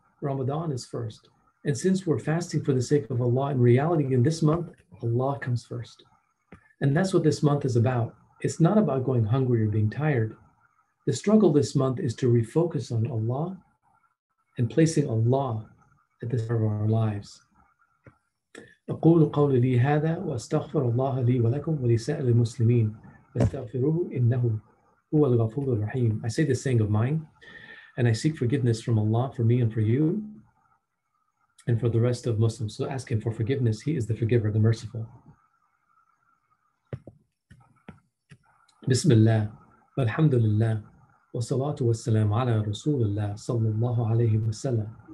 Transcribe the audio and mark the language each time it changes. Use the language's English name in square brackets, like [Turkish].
[English] Ramadan is first. And since we're fasting for the sake of Allah, in reality, in this month, Allah comes first. And that's what this month is about. It's not about going hungry or being tired. The struggle this month is to refocus on Allah and placing Allah at the center of our lives. [Arabic] أقول قولي لي هذا وأستغفر الله لي ولكم ولسائر المسلمين فاستغفروه إنه هو الغفور الرحيم. [English] I say this saying of mine, and I seek forgiveness from Allah for me and for you, and for the rest of Muslims. So ask Him for forgiveness. He is the Forgiver, the Merciful. [Arabic] بسم الله والحمد لله والصلاة والسلام على رسول الله صلى الله عليه وسلم.